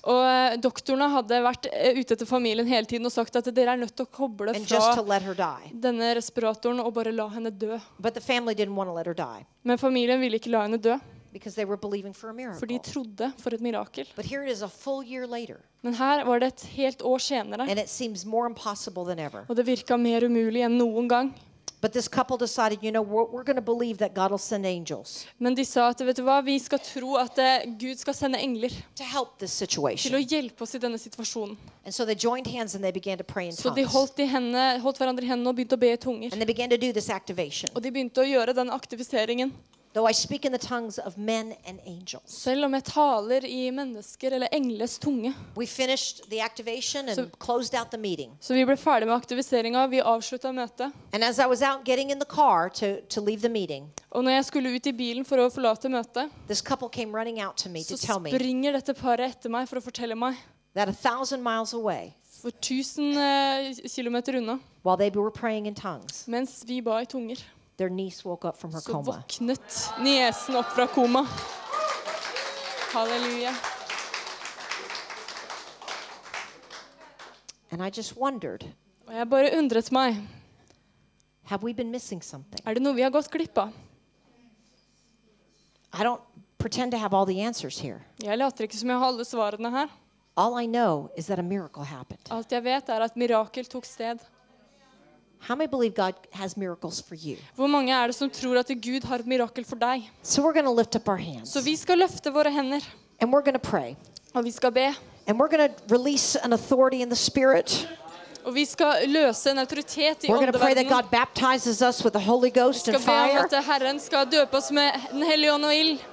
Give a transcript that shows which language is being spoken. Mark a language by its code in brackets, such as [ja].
[no] Og doktorene hadde vært ute etter familien hele tiden og sagt at dere nødt til å koble [en] fra just to let her die. [no] Denne respiratoren og bare la henne dø. [en] But the family didn't want to let her die. [no] Men familien ville ikke la henne dø. [en] Because they were believing for a miracle. [no] For de trodde for et mirakel. [en] But here it is a full year later. [no] Men her var det et helt år senere. [en] And it seems more impossible than ever. [no] Og det virka mer umulig enn noen gang. [en] But this couple decided, you know, we're going to believe that God will send angels. [no] Men de sa at vet du hva, vi skal tro at Gud skal sende engler. [en] To help this situation. [no] Til å hjelpe oss I denne situasjonen. [en] And so they joined hands and they began to pray in tongues. [no] Så de holdt hverandre I hendene og begynte å be I tunger. [en] And they began to do this activation. [no] Og de begynte å gjøre den aktiviseringen. [en] Though I speak in the tongues of men and angels. [no] Selv om jeg taler I mennesker eller engles tunge. [en] We finished the activation and closed out the meeting. [no] Så vi ble ferdig med aktiviseringen, vi avsluttet møtet. [en] And as I was out getting in the car to leave the meeting. [no] Og når jeg skulle ut I bilen for å forlate møtet. [en] This couple came running out to me to tell me. [no] Så springer dette paret etter meg for å fortelle meg. [en] That 1,000 miles away. [no] For 1,000 kilometer unna. [en] While they were praying in tongues. [no] Mens vi ba I tunger. [en] Their niece woke up from her coma. [no] Så våknet niesen opp fra koma. Halleluja. [en] And I just wondered. [no] Og jeg bare undret meg. [en] Have we been missing something? [no] Er det noe vi har gått glipp av? [en] I don't pretend to have all the answers here. [no] Jeg later ikke som jeg har alle svarene her. [en] All I know is that a miracle happened. [no] Alt jeg vet er at mirakel tok sted. [en] How many believe God has miracles for you? [no] Hvor mange er det som tror at Gud har et mirakel for deg? [en] So we're going to lift up our hands. [no] Så vi skal løfte våre hender. [en] And we're going to pray. [no] Og vi skal be. [en] And we're going to release an authority in the spirit. [no] Og vi skal løse en autoritet I [en] åndeverdenen. We're going to pray that God baptizes us with the Holy Ghost and fire. [no] Vi skal be at Herren skal døpe oss med den hellige ånd og ild.